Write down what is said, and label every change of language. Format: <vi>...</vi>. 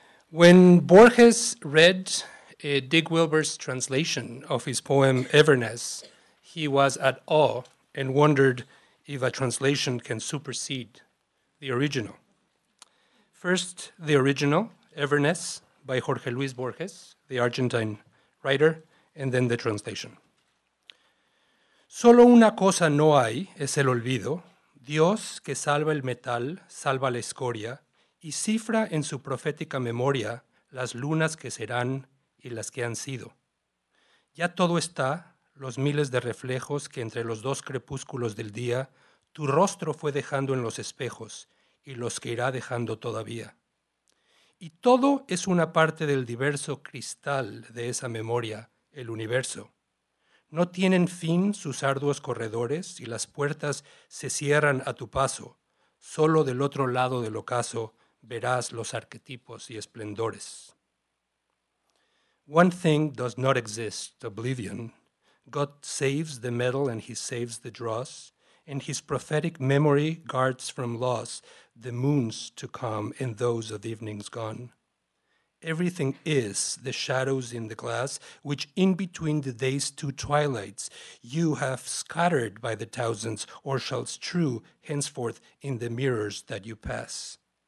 <en>When Borges read Dick Wilbur's translation of his poem Everness, he was at awe and wondered if a translation can supersede the original. First, the original, Everness, by Jorge Luis Borges, the Argentine writer, and then the translation.</en> <es>Solo una cosa no hay es el olvido. Dios que salva el metal, salva la escoria, y cifra en su profética memoria las lunas que serán y las que han sido. Ya todo está, los miles de reflejos que entre los dos crepúsculos del día tu rostro fue dejando en los espejos y los que irá dejando todavía. Y todo es una parte del diverso cristal de esa memoria, el universo. No tienen fin sus arduos corredores y las puertas se cierran a tu paso. Solo del otro lado del ocaso verás los arquetipos y esplendores.</es> <en>One thing does not exist, oblivion. God saves the metal and he saves the dross, and his prophetic memory guards from loss the moons to come and those of evenings gone. Everything is the shadows in the glass, which in between the day's two twilights you have scattered by the thousands, or shall strew henceforth in the mirrors that you pass.</en>